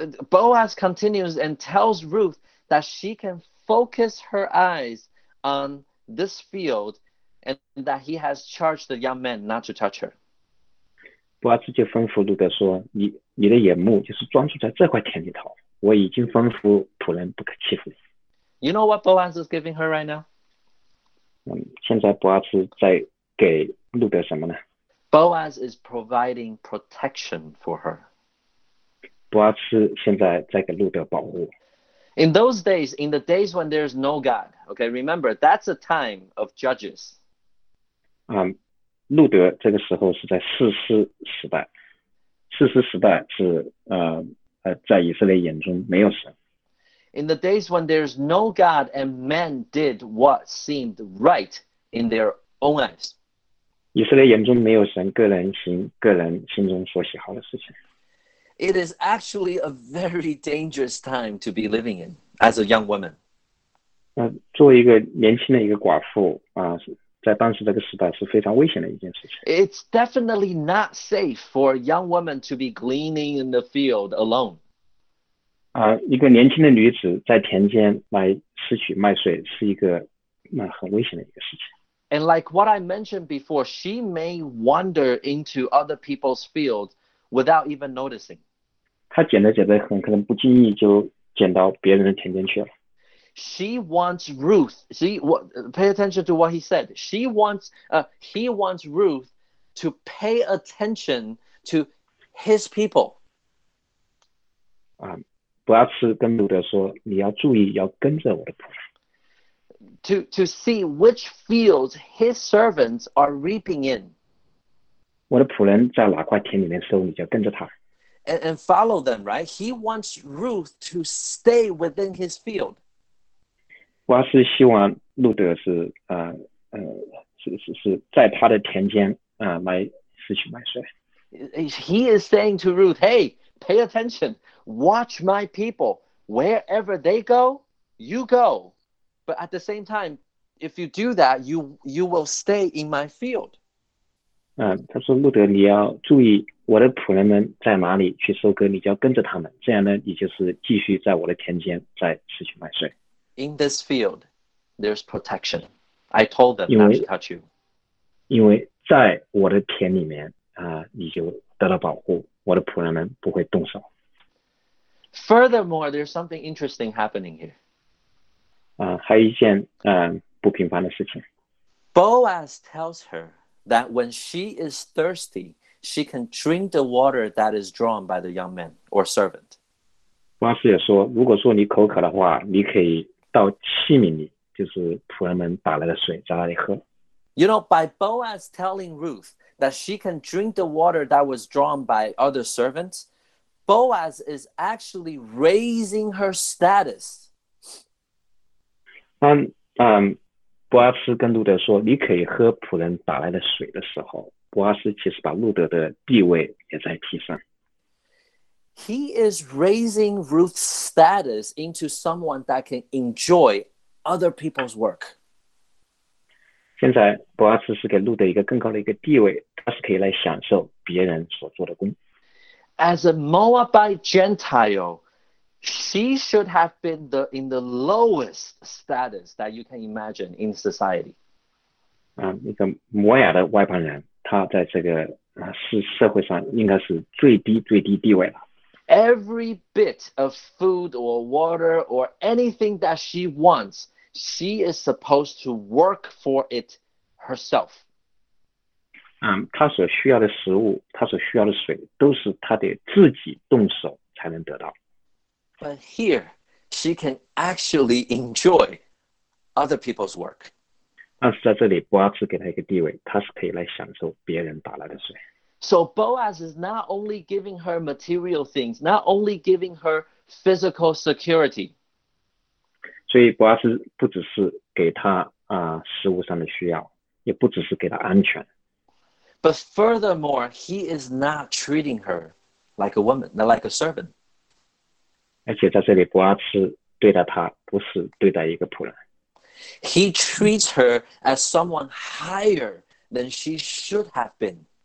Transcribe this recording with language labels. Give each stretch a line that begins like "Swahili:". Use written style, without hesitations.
English: Boaz continues and tells Ruth that she can focus her eyes on this field and that he has charged the young men not to touch her.
Chinese: 伯阿斯就吩咐路德说 你的眼目就是专注在这块田里头。我已经吩咐仆人不可欺负你。
English: You know what Boaz is giving her right now?
Chinese: 现在伯阿斯在给路德什么呢？
English: Boaz is providing protection for her.
Chinese: 伯阿斯现在在给路德保护。
English: In those days, in the days when there's no God, okay, remember, that's a time of judges.
Chinese: 路德这个时候是在士师时代。士师时代是在以色列眼中没有神。
English: In the days when there's no God and men did what seemed right in their own eyes.
Chinese: 以色列眼中没有神，个人行个人心中所喜好的事情。
English: It is actually a very dangerous time to be living in as a young woman.
Chinese: 作为一个年轻的一个寡妇在当时这个时代是非常危险的一件事情。
English: It's definitely not safe for a young woman to be gleaning in the field alone.
Chinese: 一个年轻的女子在田间来拾取麦穗是一个很危险的一个事情。
English: And like what I mentioned before, she may wander into other people's fields without even noticing.
Chinese: 她捡着捡着很可能不经意就捡到别人的田间去了。
English: She wants Ruth. See, pay attention to what he said. She wants, he wants Ruth to pay attention to his people.
Chinese: 不要吃跟路德说，你要注意，要跟着我的仆人。
English: To see which fields his servants are reaping in.
Chinese: 我的仆人在哪块田里面收，你就跟着他。
English: And follow them, right? He wants Ruth to stay within his field.
Chinese: 我是希望路德是是在他的田间来拾取麦穗。
English: He is saying to Ruth, "Hey, pay attention, watch my people. Wherever they go, you go. But at the same time, if you do that, you will stay in my field."
Chinese: 他说路德，你要注意我的仆人们在哪里去收割，你就要跟着他们。这样呢，你就是继续在我的田间在拾取麦穗。
English: In this field, there's protection. I told them not to touch you.
Chinese: 因为在我的田里面你就得到保护，我的仆人们不会动手。
English: Furthermore, there's something interesting happening here.
Chinese: 还有一件不平凡的事情。
English: Boaz tells her that when she is thirsty, she can drink the water that is drawn by the young man or servant.
Chinese: 巴斯也说，如果说你口渴的话，你可以到器皿里，就是仆人们打来的水，在那里喝。
English: You know, by Boaz telling Ruth that she can drink the water that was drawn by other servants, Boaz is actually raising her status.
Chinese: 伯阿斯跟路德说你可以喝仆人打来的水的时候，伯阿斯其实把路德的地位也在提升。
English: He is raising Ruth's status into someone that can enjoy other people's work.
Chinese: 现在伯阿斯是给路德一个更高的一个地位，他是可以来享受别人所做的工。
English: As a Moabite Gentile, she should have been in the lowest status that you can imagine in society.
Chinese: 那个摩亚的外邦人，他在这个是社会上应该是最低最低地位了。
English: Every bit of food or water or anything that she wants, she is supposed to work for it herself.
Chinese: 他所需要的食物，他所需要的水，都是他得自己动手才能得到。
English: But here, she can actually enjoy other people's work.
Chinese: 但是在这里，波阿兹给他一个地位，他是可以来享受别人打来的水。
English: So Boaz is not only giving her material things, not only giving her physical security.
Chinese: 所以波阿兹不只是给他食物上的需要，也不只是给他安全。
English: But furthermore, he is not treating her like a woman, not like a servant.
Chinese: 而且在这里，波阿兹对待他不是对待一个仆人。
English: He treats her as someone higher than she should have been.